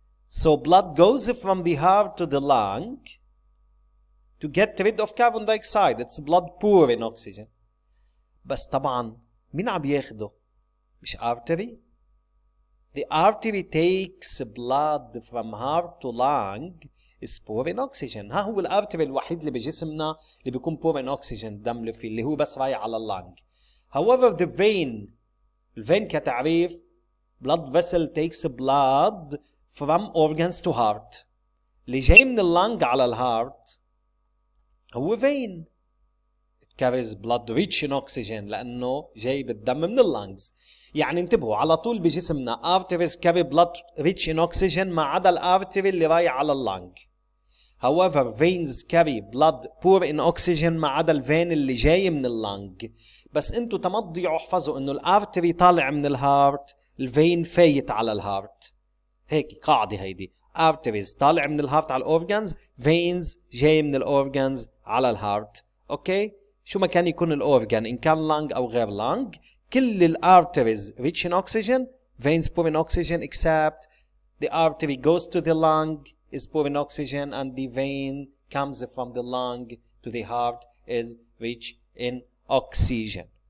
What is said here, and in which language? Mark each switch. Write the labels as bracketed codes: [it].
[en] So blood goes from the heart to the lung to get rid of carbon dioxide. It's blood poor in oxygen. [ar] بس طبعا مين عم ياخده؟ مش artery. [en] The artery takes blood from heart to lung is poor in oxygen. [ar] ها هو الارتري الوحيد اللي بجسمنا اللي بيكون [en] poor in oxygen [ar] دم اللي فيه اللي هو بس رايح على اللانج. [en] However the vein [ar] الفين كتعريف [en] blood vessel takes blood from organs to heart. [ar] اللي جاي من اللانج على الهارت هو vein. [en] It carries blood rich in oxygen [ar] لأنه جاي بالدم من اللانجز. يعني انتبهوا على طول بجسمنا [en] arteries carry blood rich in oxygen [ar] ما عدا الارتري اللي رايح على اللانج. [en] However veins carry blood poor in oxygen [ar] ما عدا الفين اللي جاي من اللانج. بس انتوا تمضيوا احفظوا انه الارتري طالع من الهارت الفين فايت على الهارت. هيك قاعدة هيدي [en] arteries [ar] طالع من الهارت على الأورغانز veins جاي من الأورغانز على الهارت. أوكي شو ما كان يكون الأورغان إن كان [en] lung أو غير lung كل الـ arteries rich in oxygen veins poor in oxygen except the artery goes to the lung is poor in oxygen and the vein comes from the lung to the heart is rich in oxygen.